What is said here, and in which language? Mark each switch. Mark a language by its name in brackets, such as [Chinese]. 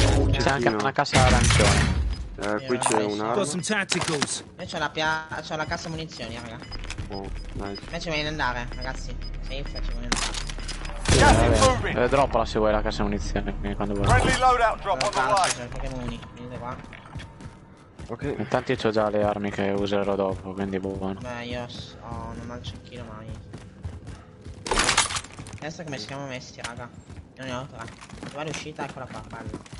[Italian] C'è anche una cassa arancione. Qui c'è un'arma. Noi c'ho la cassa munizioni, raga. [English] Oh, nice. [Italian] Ma ci vuoi andare, ragazzi? Safe, ci vuoi andare. Yeah, droppala se vuoi la cassa munizioni, quando vuoi. [English] Friendly loadout drop on the way. [Italian] Venite qua. Ok. Intanto io ho già le armi che userò dopo, quindi buono. Beh, io ho non ho il cecchino mai. Adesso come siamo messi, raga? Non ne ho tre. Dove è l'uscita? Eccola qua, bello.